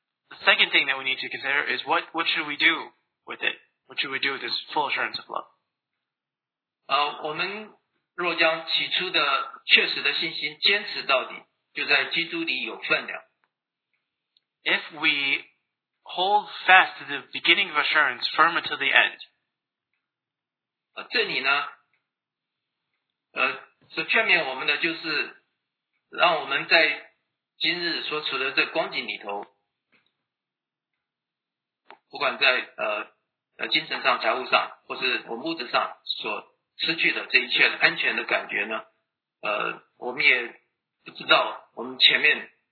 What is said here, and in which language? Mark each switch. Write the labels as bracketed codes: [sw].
[en] The second thing that we need to consider is what should we do with it? What should we do with this full assurance of love? [zh] 我们若将起初的确实的信心坚持到底，就在基督里有分量。 [en] If we hold fast to the beginning of assurance firm until the end. [zh] 这里呢所劝勉我们的就是让我们在今日所处的这光景里头不管在精神上财务上或是我们物质上所失去的这一切安全的感觉呢我们也不知道我们前面